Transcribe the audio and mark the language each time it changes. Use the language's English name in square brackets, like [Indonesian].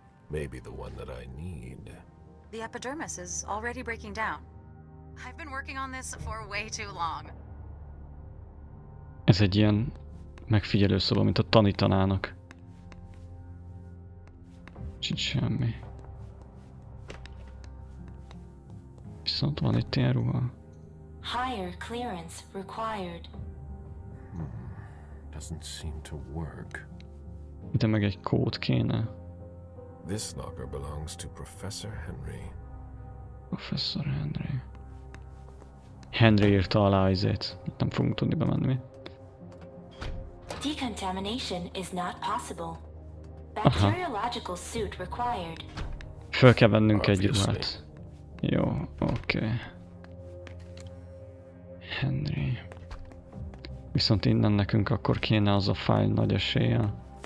[English] Maybe the one that I need. The epidermis is already breaking down. I've been working on this for way too long. [Hungarian] Ez egy ilyen megfigyelő szoba, mint a tanítanának. Sincs semmi. Viszont van itt ilyen ruha. [English] Higher clearance required. Doesn't seem to work. [Hungarian] De meg egy kód kéne. [English] This locker belongs to Professor Henry. [Hungarian] Professor Henry. Henry írta alá azért. Nem fogunk tudni bemenni. [English] Decontamination is not possible. Bacteriological suit required. [Hungarian] Föl kell vennünk egy ruhát. Jó, oké. Henry. Viszont innen nekünk akkor kéne az a fájl nagy esélye.